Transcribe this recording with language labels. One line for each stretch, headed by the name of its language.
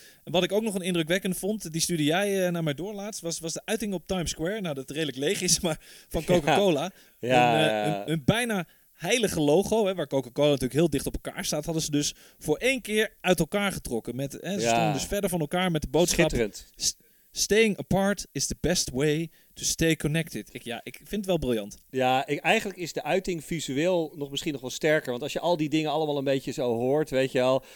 Dutch: En wat ik ook nog een indrukwekkende vond, die stuurde jij naar mij door laatst, was de uiting op Times Square. Nou, dat redelijk leeg is, maar van Coca-Cola. Ja. Een bijna heilige logo, hè, waar Coca-Cola natuurlijk heel dicht op elkaar staat, hadden ze dus voor één keer uit elkaar getrokken. Met, hè, ze stonden dus verder van elkaar met de boodschap. Schitterend.
English: Staying apart is the best way to stay connected.
Dutch: Ik vind het wel briljant. Ja, eigenlijk is de uiting visueel nog misschien nog wel sterker. Want als je al die dingen allemaal een beetje zo hoort, weet je al.